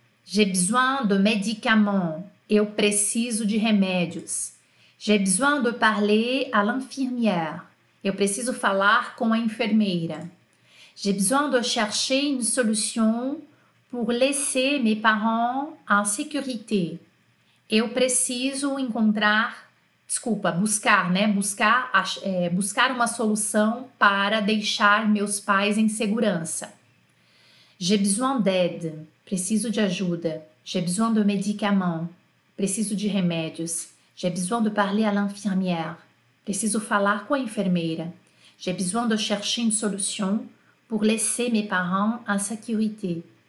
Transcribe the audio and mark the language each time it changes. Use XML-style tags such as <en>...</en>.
<fr>J'ai besoin de médicaments.</fr> <pt>Eu preciso de remédios.</pt> <fr>J'ai besoin de parler à l'infirmière.</fr> <pt>Eu preciso falar com a enfermeira.</pt> <fr>J'ai besoin de chercher une solution pour laisser mes parents en sécurité.</fr> <pt>Eu preciso encontrar, desculpa, buscar, né? Buscar uma solução para deixar meus pais em segurança.</pt> <fr>J'ai besoin d'aide.</fr> <pt>Preciso de ajuda.</pt> <fr>J'ai besoin de médicaments.</fr> <pt>Preciso de remédios.</pt> <fr>J'ai besoin de parler à l'infirmière.</fr> <pt>Preciso falar com a enfermeira.</pt> <fr>J'ai besoin de chercher une solution pour laisser mes parents en sécurité.</fr>